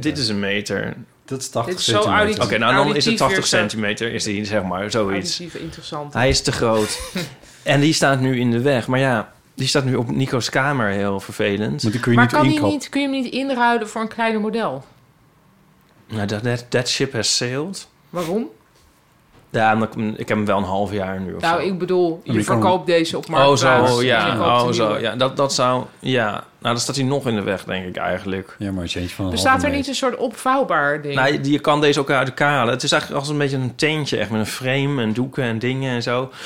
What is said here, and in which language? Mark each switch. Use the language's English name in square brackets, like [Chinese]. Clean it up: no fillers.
[Dutch] Dit is een meter. Dat is 80 is centimeter. Oké, nou dan is het 80 centimeter, is die zeg maar zoiets. Auditief interessant. Hij is te groot. En die staat nu in de weg. Maar ja, die staat nu op Nico's kamer, heel vervelend. Maar die kun je maar niet inkopen. Kun je hem niet inruilen voor een kleiner model? [English] Nou, that ship has sailed. [Dutch] Waarom? Ja, ik heb hem wel een half jaar nu. Nou, ik bedoel, je verkoopt deze op Marktplaats. Nou, dan staat hij nog in de weg, denk ik eigenlijk. Ja, maar het van een bestaat er niet een soort opvouwbaar ding? Nou, je kan deze ook uit de kalen. Het is eigenlijk als een beetje een tentje, echt met een frame en doeken en dingen en zo.